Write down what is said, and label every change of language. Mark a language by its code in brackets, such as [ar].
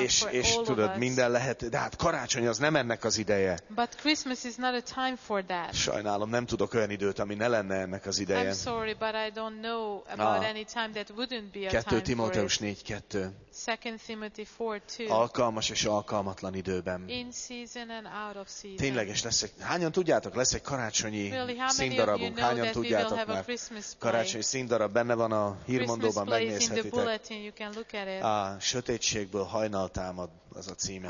[hu] És tudod, minden lehet. De hát karácsony az nem ennek az ideje. [en] But Christmas is not a time for that. [hu] Sajnálom, nem tudok olyan időt, ami ne lenne ennek az ideje. [en] I'm sorry, but I don't know about any time that wouldn't be a time. [hu] 2 Timóteus 4:2. [en] 2 Timothy 4:2. [hu] Alkalmas és alkalmatlan időben. [en] In season and out of season. [hu] Tényleges lesz. Hányan tudjátok, lesz egy karácsonyi színdarabunk? Hányan tudjátok már? Karácsonyi színdarab benne van a hírmondóban, megnézhetitek. A sötétségből hajnal támad, az a címe.